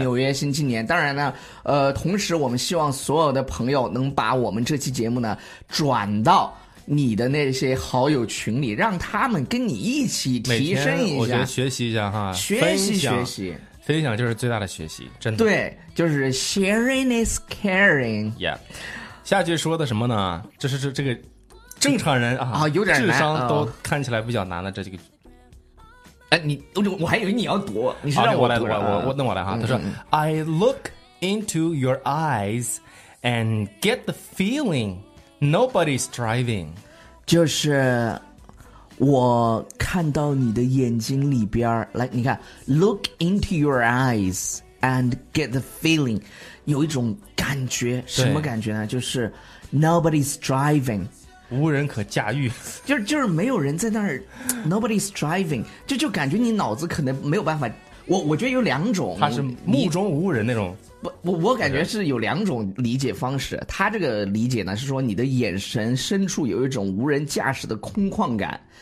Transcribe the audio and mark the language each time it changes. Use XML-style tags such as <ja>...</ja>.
<zh>纽约新青年。当然呢，同时我们希望所有的朋友能把我们这期节目呢转到你的那些好友群里，让他们跟你一起提升一下，我觉得学习一下哈，学习。分享就是最大的学习，真的。对，就是 sharing is caring。 Yeah， 下句说的什么呢？这是这个正常人啊，有点难，智商都看起来比较难的这几个。我还以为你要读，你是让我读。</zh> <en>我来，我来哈。他说，I look into your eyes and get the feeling nobody's driving。</en> <zh>就是。我看到你的眼睛里边，来，你看 ， look into your eyes and get the feeling，有一种感觉，什么感觉呢？</zh> <en>就是 nobody's driving，</en> <zh>无人可驾驭，就是没有人在那儿 ， nobody's driving，就感觉你脑子可能没有办法，我觉得有两种，他是目中无人那种。我感觉是有两种理解方式。他这个理解呢是说你的眼神深处有一种无人驾驶的空旷感。</zh>